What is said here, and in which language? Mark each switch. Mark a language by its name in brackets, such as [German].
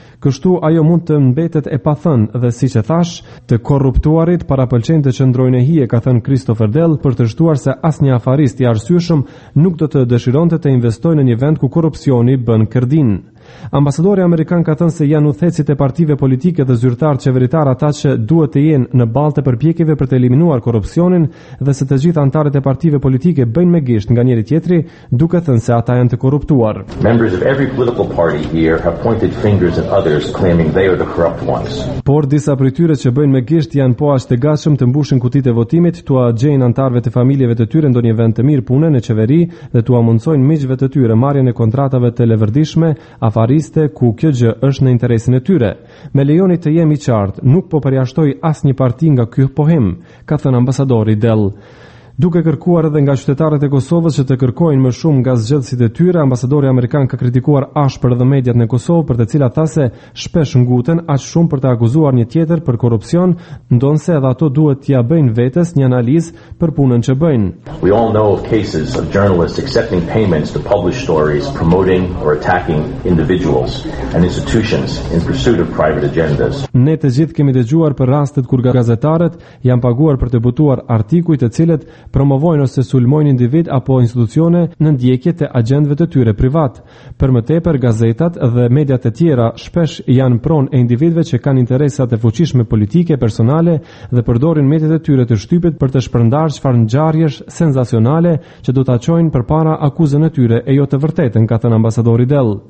[Albanian] Kështu ajo mund të mbetet e pathën dhe siç e thash, të korruptuarit para pëlqejnë të qëndrojnë e hije, ka thënë Christopher Dell, për të shtuar se asnjë afarist i arsyeshëm nuk do të dëshironte të investojë në një vend ku korrupsioni bën kërdin. Ambasadori amerikan ka thënë se janë udhëhecit e partive politike dhe zyrtar qeveritar ata që duhet të jenë në ballë të përpjekjeve për të eliminuar korrupsionin dhe se të gjithë anëtarët e partive politike bëjnë me gisht nga njëri tjetri duke thënë se ata janë të korruptuar. [English] Members of every political party here have pointed fingers at others claiming they are the corrupt ones. [Albanian] Por disa prej tyre që bëjnë me gisht janë po aq të gatshëm të mbushin kutitë e votimit, tua gjejnë anëtarëve të familjeve të tyre ndonjë vend të mirë pune në qeveri dhe tua mundsojnë miqve të tyre marrjen e kontratave të lëvërdishme afariste ku kjo gjë është në interesin e tyre. Me lejonit të jemi qartë, nuk po përjashtoj as një parti nga ky pohim, ka thënë ambasadori Dell. Duke kërkuar edhe nga qytetarët e Kosovës që të kërkojnë më shumë nga zgjedhësit e tyre, ambasadori amerikan ka kritikuar ashpër edhe mediat në Kosovë për të cilat tha se shpesh nguten aq shumë për të akuzuar një tjetër për korrupsion, ndonse edhe ato duhet t'ia bëjnë vetes një analizë për punën që bëjnë. [English] We all know of cases of journalists accepting payments to publish stories promoting or attacking individuals and institutions in pursuit of private agendas. [Albanian] Ne të gjithë kemi dëgjuar për rastet kur gazetarët janë paguar për të botuar artikuj të cilët promovojnë ose sulmojnë individ apo institucione në ndjekje të agjendëve të tyre privat. Për më tepër, gazetat dhe mediat e tjera shpesh janë pronë e individve që kanë interesat e fuqishme politike, personale dhe përdorin mediat e tyre të shtypit për të shpërndarë çfarë ngjarjesh sensacionale që do ta çojnë përpara akuzën e tyre e jo të vërtetën, ka thënë ambasadori Dell.